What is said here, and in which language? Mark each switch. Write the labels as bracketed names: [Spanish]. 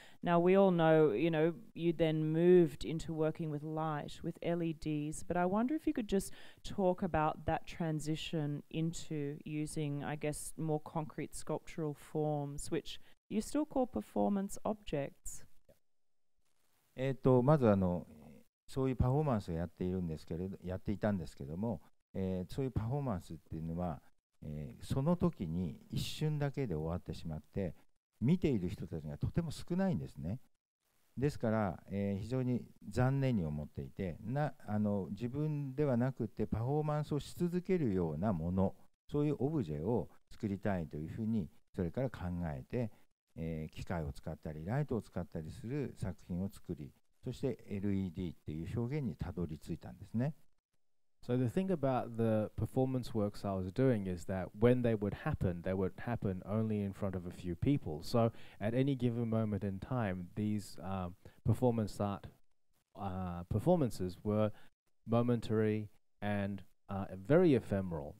[English] Now, we all know, you know, you then moved into working with light, with LEDs, but I wonder if you could just talk about that transition into using, I guess, more concrete sculptural forms, which you still call performance objects. [Japanese] まずそういうパフォーマンスをやっているんですけれど、やっていたんですけども、そういうパフォーマンスっていうのは、その時に一瞬だけで終わってしまって、見ている人たちがとても少ないんですね。ですから、非常に残念に思っていて、自分ではなくてパフォーマンスをし続けるようなもの、そういうオブジェを作りたいというふうにそれから考えて、機械を使ったりライトを使ったりする作品を作り、そして LED っていう表現にたどり着いたんですね。 [English] So the thing about the performance works I was doing is that when they would happen only in front of a few people. So at any given moment in time, these performance art performances were momentary and very ephemeral.